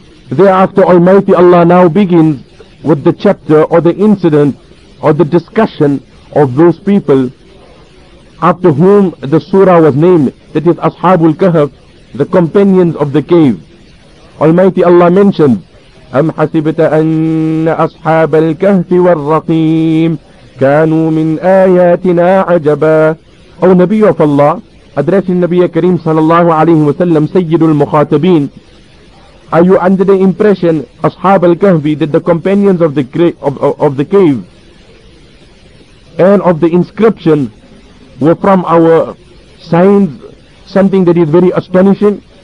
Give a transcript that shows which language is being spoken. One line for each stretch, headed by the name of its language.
English: Thereafter Almighty Allah now begins with the chapter or the incident or the discussion of those people after whom the surah was named, that is Ashabul Kahf, the companions of the cave. Almighty Allah mentioned,
Arabic: أَمْ حَسِبْتَ أَنَّ أَصْحَابَ الْكَهْفِ وَالرَّقِيمِ كَانُوا مِنْ آيَاتِنَا عَجَبًا.
English: Oh Nabi of Allah, addressing Nabi Kareem sallallahu alayhi wa sallam, Sayyidul Mukhatabin, are you under the impression, Ashab al-Kahfi, that the companions of the cave, and of the inscription were from our signs, something that is very astonishing.